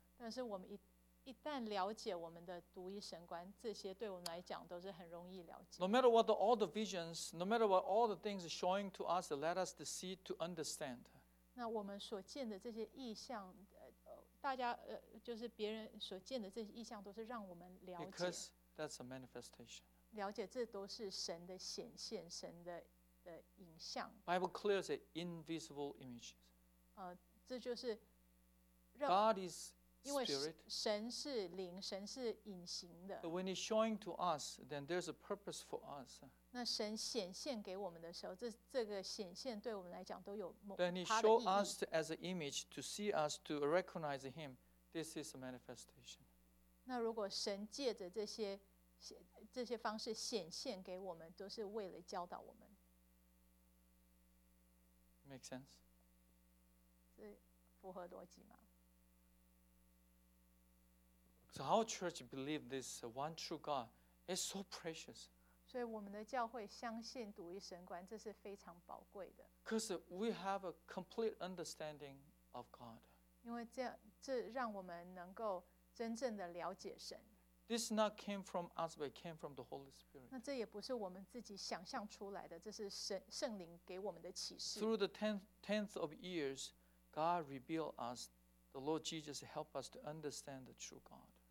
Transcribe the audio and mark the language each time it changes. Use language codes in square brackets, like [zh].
[zh] 但是我们一旦了解我们的独一神观，这些对我们来讲都是很容易了解。 [en] No matter what all the visions, no matter what all the things showing to us, let us to see to understand. [zh] 那我们所见的这些意象，大家就是别人所见的这些意象，都是让我们了解。 [en] Because that's a manifestation. [zh] 了解这都是神的显现，神的。 [en] Bible clearly says invisible images. [zh] 这就是 [en] God is spirit. [zh] 神是灵，神是隐形的。 [en] When he's showing to us, then there's a purpose for us. [zh] 那神显现给我们的时候，这个显现对我们来讲都有某它的意义。 [en] Then he showed us as an image to see us to recognize him. This is a manifestation. [zh] 那如果神借着这些方式显现给我们，都是为了教导我们。 [en] Make sense? [zh] 是符合逻辑吗？ [en] So how church believe this one true God It's so precious. [zh] 所以我们的教会相信独一神观，这是非常宝贵的。 [en] Because we have a complete understanding of God. [zh] 因为这让我们能够真正的了解神。 [en] This not came from us, but it came from the Holy Spirit. [zh] 那这也不是我们自己想象出来的，这是圣灵给我们的启示。 [en] Through the tens of years, God revealed us, the Lord Jesus helped us to understand the true God.